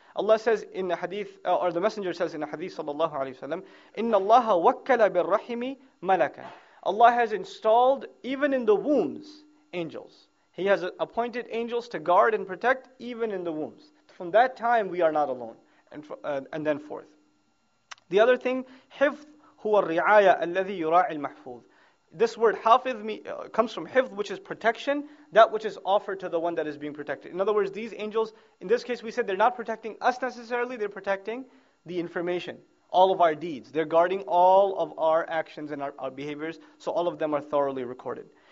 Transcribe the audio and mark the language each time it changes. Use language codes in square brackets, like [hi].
[en] Allah says in the hadith, or the Messenger says in the hadith, sallallahu alayhi wa sallam, [ar] إِنَّ اللَّهَ وَكَّلَ بِالرَّحِمِ مَلَكًا. [en] Allah has installed, even in the wombs, angels. He has appointed angels to guard and protect, even in the wombs. From that time, we are not alone. And then forth. The other thing, [ar] حِفْظ هُوَ الرِّعَايَ الَّذِي يُرَاعِ الْمَحْفُوظِ. [en] This word hafiz comes from hifz, which is protection, that which is offered to the one that is being protected. In other words, these angels, in this case we said they're not protecting us necessarily, they're protecting the information, all of our deeds. They're guarding all of our actions and our behaviors, so all of them are thoroughly recorded.